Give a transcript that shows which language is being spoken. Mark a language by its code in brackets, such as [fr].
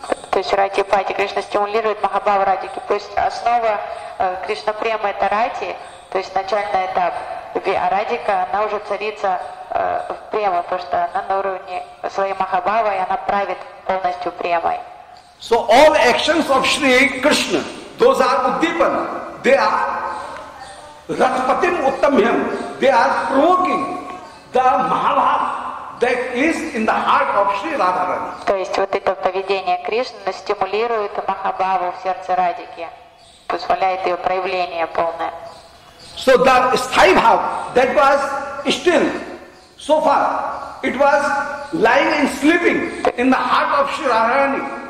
[ru] То есть Ратипати Кришна стимулирует Махабхава Радики. То есть основа Кришна према это Рати, то есть начальный этап. А Радика она уже царица в прему, потому что она на уровне своей Махабхавы и она правит полностью премой. [en] So all actions of Shri Krishna, those are Uddipana, they are Ratipatim Uttamhyam, they are provoking the Mahabhav that is in the heart of Shri Radharani. [ru] То есть вот это поведение Кришны стимулирует Махабхаву в сердце Радики, позволяет ее проявление полное. [en] So the Sthai Bhav that was still so far, it was lying and sleeping in the heart of Shri Radharani.